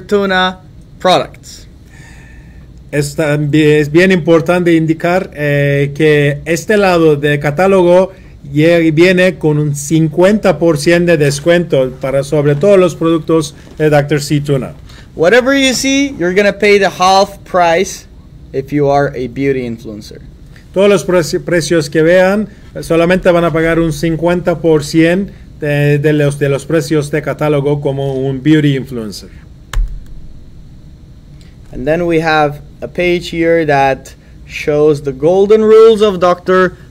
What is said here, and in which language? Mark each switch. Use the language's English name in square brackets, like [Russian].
[English] Tuna products. [Spanish] Es bien importante indicar que este lado del catálogo viene con un 50% de descuento para sobre todos los productos de Dr. C. Tuna. [English] Whatever you see, you're going to pay the half price if you are a beauty influencer. [Spanish] Todos los precios que vean solamente van a pagar un 50% de los precios de catálogo como un beauty influencer. [English] And then we have a page here that shows the golden rules of Dr.